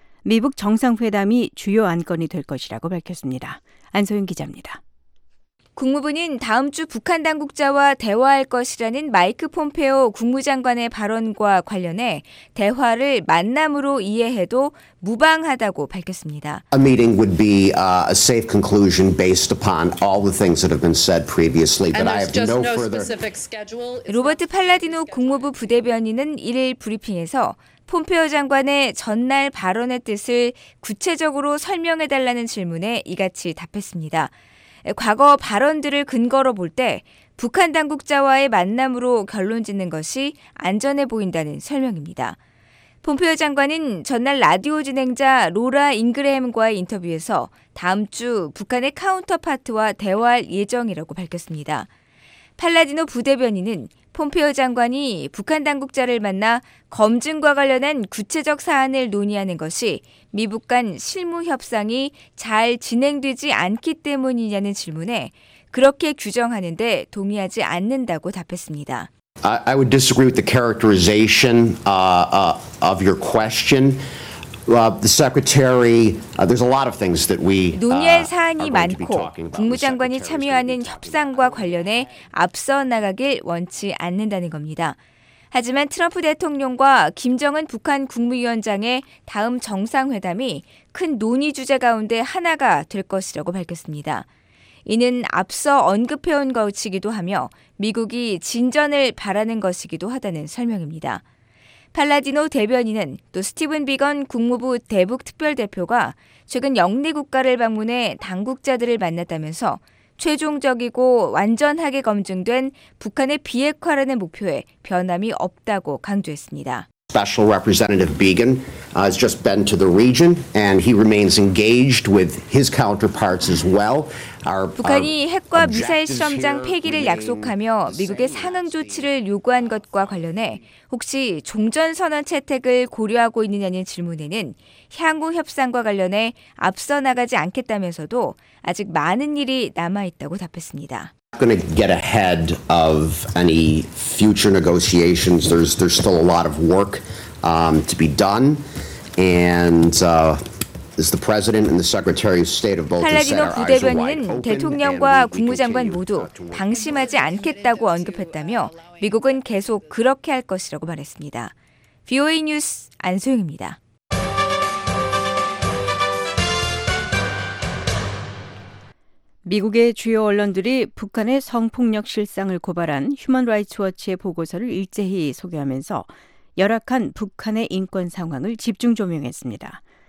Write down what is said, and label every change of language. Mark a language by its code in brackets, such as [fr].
[ko] 미북 정상회담이 주요 안건이 될 것이라고 밝혔습니다. 안소윤 기자입니다. 국무부는 다음 주 북한 당국자와 대화할 것이라는 마이크 폼페오 국무장관의 발언과 관련해 대화를 만남으로 이해해도 무방하다고 밝혔습니다. [en] A meeting would be a safe conclusion based upon all the things that have been said previously, but I have no further. [ko] 로버트 팔라디노 국무부 부대변인은 1일 브리핑에서 폼페오 장관의 전날 발언의 뜻을 구체적으로 설명해 달라는 질문에 이같이 답했습니다. 과거 발언들을 근거로 볼 때 북한 당국자와의 만남으로 결론 짓는 것이 안전해 보인다는 설명입니다. 폼페오 장관은 전날 라디오 진행자 로라 잉그램과의 인터뷰에서 다음 주 북한의 카운터파트와 대화할 예정이라고 밝혔습니다. 팔라디노 부대변인은 폼페이오 장관이 북한 당국자를 만나 검증과 관련한 구체적 사안을 논의하는 것이 미북 간 실무 협상이 잘 진행되지 않기 때문이냐는 질문에 그렇게 규정하는데 동의하지 않는다고 답했습니다. [en] I would disagree with the characterization of your question. The secretary, there's a lot of things that we [ko] 논의할 사안이 많고 국무장관이 참여하는 협상과 관련해 앞서 나가길 원치 않는다는 겁니다. 하지만 트럼프 대통령과 김정은 북한 국무위원장의 다음 정상회담이 큰 논의 주제 가운데 하나가 될 것이라고 밝혔습니다. 이는 앞서 언급해온 것이기도 하며 미국이 진전을 바라는 것이기도 하다는 설명입니다. 팔라디노 대변인은 또 스티븐 비건 국무부 대북특별대표가 최근 영내 국가를 방문해 당국자들을 만났다면서 최종적이고 완전하게 검증된 북한의 비핵화라는 목표에 변함이 없다고 강조했습니다. [en] Special Representative Biegun has just been to the region and he remains engaged with his counterparts as well. [ko] 북한이 핵과 미사일 실험장 폐기를 약속하며 미국의 상응 조치를 요구한 것과 관련해 혹시 종전선언 채택을 고려하고 있느냐는 질문에는 향후 협상과 관련해 앞서 나가지 않겠다면서도 아직 많은 일이 남아있다고 답했습니다. [en] Going to get ahead of any future negotiations. There's still a lot of work to be done. And as the president and the secretary of state of both said, our eyes are wide open. [ko] 대통령과 국무장관 모두 방심하지 않겠다고 언급했다며 미국은 계속 그렇게 할 것이라고 말했습니다. VOA 뉴스 안소영입니다. 미국의 주요 언론들이 북한의 성폭력 실상을 고발한 휴먼라이츠워치의 보고서를 일제히 소개하면서 열악한 북한의 인권 상황을 집중 조명했습니다.